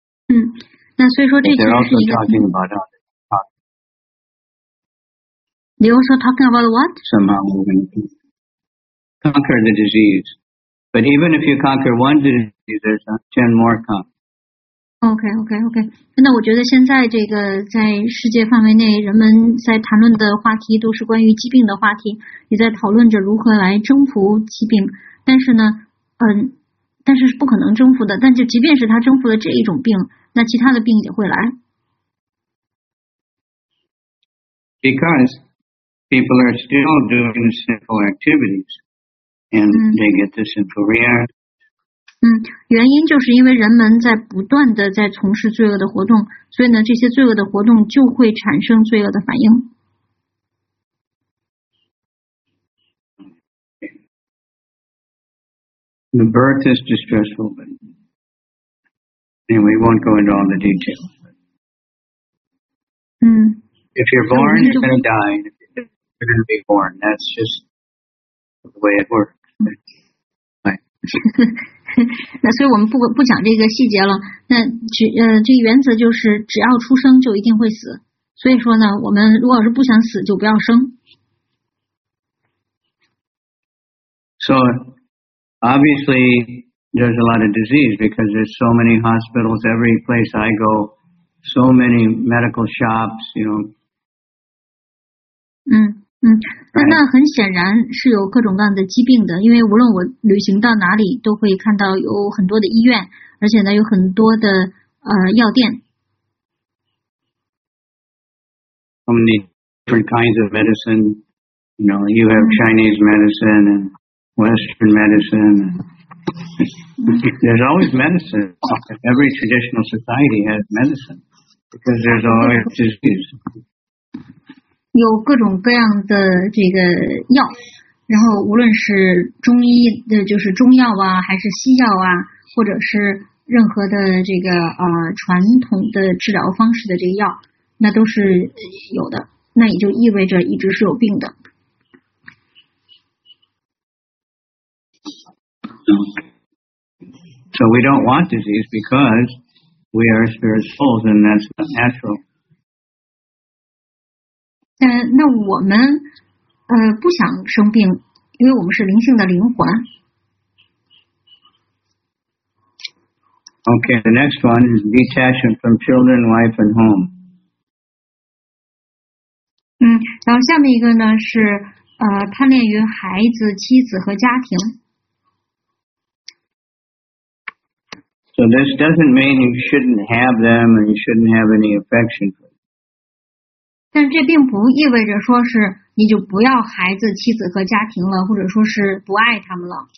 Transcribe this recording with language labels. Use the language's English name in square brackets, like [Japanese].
[Chinese] 嗯，那所以说这 [English] ，They're also talking about They're also talking about what? Somehow we're going to conquer the disease. But even if you conquer one disease, there's 10 more coming. Okay. [Chinese] 那我觉得现在这个在世界范围内，人们在谈论的话题都是关于疾病的话题，也在讨论着如何来征服疾病。但是呢，但是是不可能征服的。但就即便是他征服了这一种病，那其他的病也会来。 [English] Because people are still doing sinful activities, and they get the sinful reaction. [Chinese] 嗯，原因就是因为人们在不断的在从事罪恶的活动，所以呢，这些罪恶的活动就会产生罪恶的反应。 [English] The birth is distressful, but anyway, we won't go into all the details. 嗯。 If you're born, you're going to die. If you're going to be born, that's just the way it works. Right. [Chinese] 那所以我们不讲这个细节了。那这原则就是，只要出生就一定会死。所以说呢，我们如果是不想死，就不要生。 [English] So obviously there's a lot of disease because there's so many hospitals. Every place I go, so many medical shops. You know. [Chinese] 嗯嗯，那很显然是有各种各样的疾病的，因为无论我旅行到哪里，都会看到有很多的医院，而且呢有很多的药店。 [English] So many different kinds of medicine, you know, you have Chinese medicine and Western medicine. There's always medicine. Every traditional society has medicine because there's always disease. [Chinese] 有各种各样的这个药，然后无论是中医的，就是中药啊，还是西药啊，或者是任何的这个传统的治疗方式的这个药，那都是有的。那也就意味着一直是有病的。 [English] So we don't want disease because we are spirit souls, and that's natural. [Chinese] 那我们不想生病，因为我们是灵性的灵魂。 [English] Okay, the next one is detachment from children, wife, and home. [Chinese] 嗯，然后下面一个呢是贪恋于孩子、妻子和家庭。 [English] So this doesn't mean you shouldn't have them and you shouldn't have any affection for them. [Chinese] 但这并不意味着说是你就不要孩子、妻子和家庭了，或者说是不爱他们了。